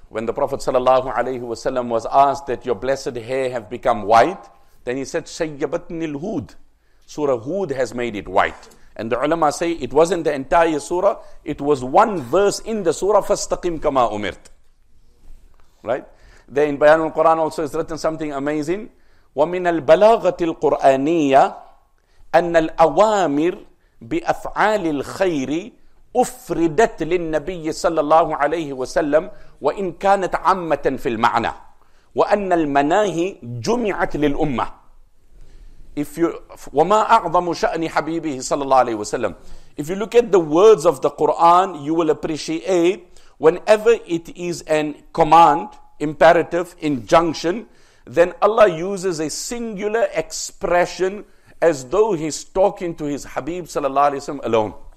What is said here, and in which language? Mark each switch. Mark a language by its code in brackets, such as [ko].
[en] When the Prophet sallallahu alayhi wasallam was asked that your blessed hair have become white, then he said, [ar] Shayyabatni al-Hud. [en] Surah Hud has made it white. And the ulama say it wasn't the entire surah, it was one verse in the surah, [ar] Fastaqim kama umirt. [en] Right? Then in Bayan al-Quran also is written something amazing. [ar] ومن البلاغة القرآنية أن الأوامر بأفعال الخير أفردت للنبي صلى الله عليه وسلم وإن كانت عامة في المعنى وأن المناهي جمعت للأمة. [en] If you, [ar] وما أعظم شأن حبيبه صلى الله عليه وسلم. [en] If you look at the words of the Quran, you will appreciate whenever it is a command, imperative, injunction, then Allah uses a singular expression as though He's talking to His Habib sallallahu alayhi wa sallam alone.